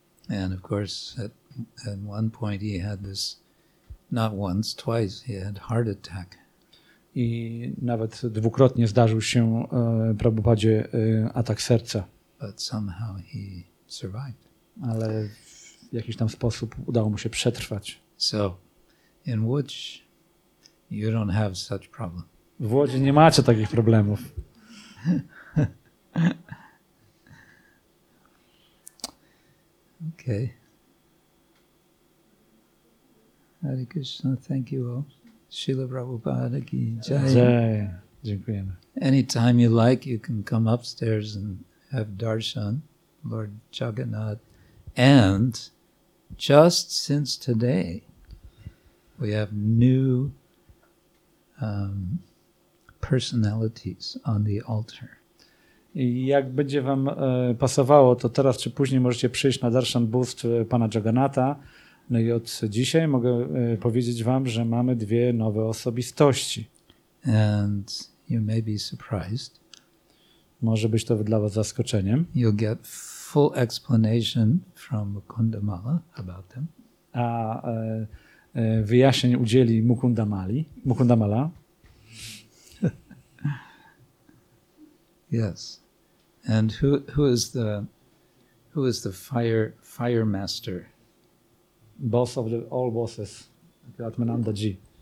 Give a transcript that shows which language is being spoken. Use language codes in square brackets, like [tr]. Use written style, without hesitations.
[en] And of course at one point he had this not once, twice, he had heart attack. [pl] i nawet dwukrotnie zdarzył się Prabhupadzie atak serca. [en] But somehow he survived. [pl] Ale w jakiś tam sposób udało mu się przetrwać. [en] So, in Łódź, you don't have such problem. [pl] W Łodzi nie macie takich problemów. [en] Okay. Hare Krishna, thank you all. Srila Prabhupada ki jai. [pl] Jai. Dziękujemy. [en] Anytime you like, you can come upstairs and have darshan, Lord Jagannath. And just since today, we have new personalities on the altar. [pl] I jak będzie wam pasowało, to teraz czy później możecie przyjść na darshan bóstw pana Jagannatha. No i od dzisiaj mogę powiedzieć wam, że mamy dwie nowe osobistości. [en] And you may be surprised. [pl] Może być to dla was zaskoczeniem. [en] You'll get full explanation from Mukundamala about them. [pl] A wyjaśnień udzieli Mukundamala. [en] Yes. And who is the fire master? Boss of the all bosses, Akhilatmananda Ji.